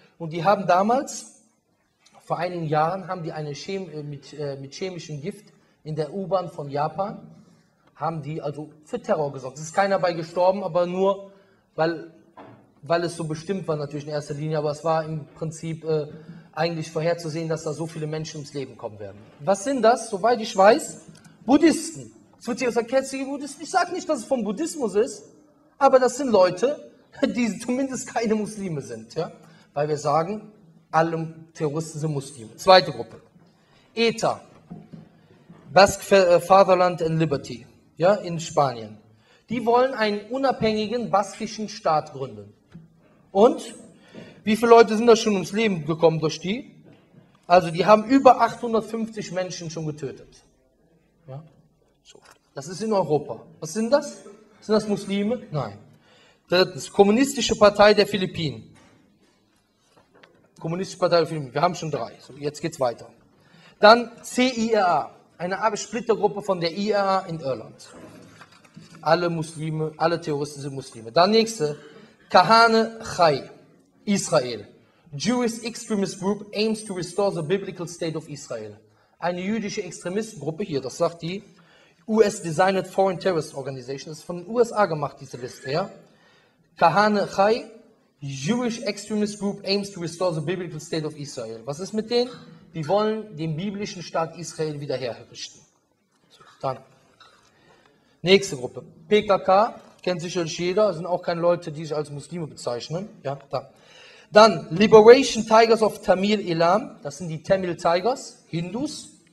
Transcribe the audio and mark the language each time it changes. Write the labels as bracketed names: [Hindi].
[German] Und die haben damals, vor einigen Jahren, haben die eine mit chemischem Gift in der U-Bahn von Japan, haben die also für Terror gesorgt. Es ist keiner dabei gestorben, aber nur, weil es so bestimmt war natürlich in erster Linie, aber es war im Prinzip eigentlich vorherzusehen, dass da so viele Menschen ums Leben kommen werden. Was sind das? Soweit ich weiß, Buddhisten, Es wird hier aus der Kerzige Buddhist. Ich sage nicht, dass es vom Buddhismus ist, aber das sind Leute, die zumindest keine Muslime sind. Ja? Weil wir sagen, alle Terroristen sind Muslime. Zweite Gruppe. ETA. [English] Basque Fatherland and Liberty. [German] Ja? In Spanien. Die wollen einen unabhängigen baskischen Staat gründen. Und wie viele Leute sind da schon ums Leben gekommen durch die? Also die haben über 850 Menschen schon getötet. Ja? So. Das ist in Europa. Was sind das? Sind das Muslime? Nein. Drittens, Kommunistische Partei der Philippinen. Kommunistische Partei der Philippinen. Wir haben schon drei. So, jetzt geht's weiter. Dann CIRA, eine Splittergruppe von der IRA in Irland. Alle Muslime, alle Terroristen sind Muslime. Dann nächste, Kahane Chai, Israel. [English] Jewish Extremist Group aims to restore the biblical state of Israel. [German] Eine jüdische Extremistengruppe, hier, das sagt die [English] US-Designed Foreign Terrorist Organization, [German] das ist von den USA gemacht, diese Liste, ja. [English] Kahane Chai, Jewish Extremist Group aims to restore the biblical state of Israel. [German] Was ist mit denen? Die wollen den biblischen Staat Israel wiederherrichten. So, dann. Nächste Gruppe, PKK, kennt sicherlich jeder, sind auch keine Leute, die sich als Muslime bezeichnen. Ja, da. Dann, Liberation Tigers of Tamil Elam, das sind die Tamil Tigers, Hindus.